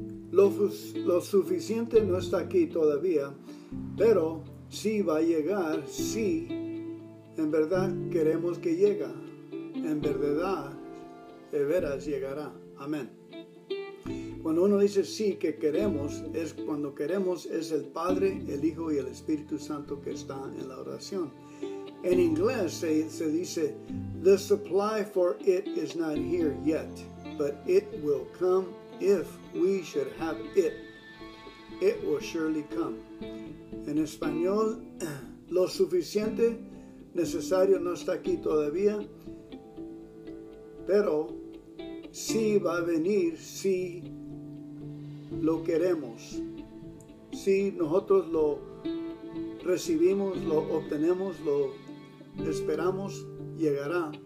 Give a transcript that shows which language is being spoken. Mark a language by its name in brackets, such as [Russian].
[Spanish] Lo suficiente no está aquí todavía, pero sí va a llegar si en verdad queremos que llegue. En verdad, de veras llegará. Amén. Cuando uno dice sí que queremos, es cuando queremos, es el Padre, el Hijo y el Espíritu Santo que está en la oración. En inglés se dice, [English] the supply for it is not here yet, but it will come if we should have it. It will surely come. [Spanish] En español, lo suficiente necesario no está aquí todavía, pero sí va a venir si lo queremos. Si nosotros lo recibimos, lo obtenemos, lo esperamos, llegará.